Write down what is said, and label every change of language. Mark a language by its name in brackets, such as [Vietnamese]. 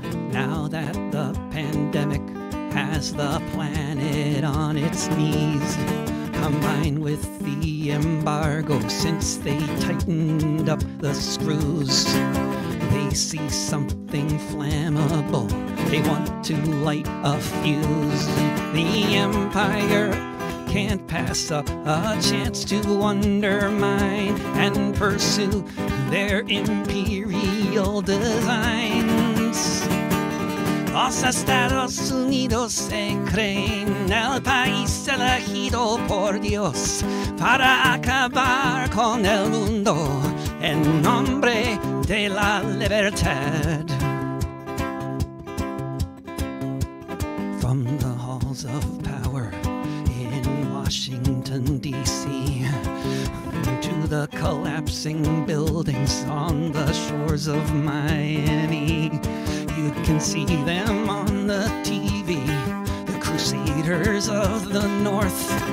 [English] Now that the pandemic has the planet on its knees, combined with the embargo since they tightened up the screws, they see something flammable. They want to light a fuse. The empire can't pass up a chance to undermine and pursue their imperial designs. [Spanish] Los Estados Unidos se creen el país elegido por Dios para acabar con el mundo en nombre de la libertad. [English] From the halls of power in Washington, D.C., to the collapsing buildings on the shores of Miami, you can see them on the TV, the crusaders of the North,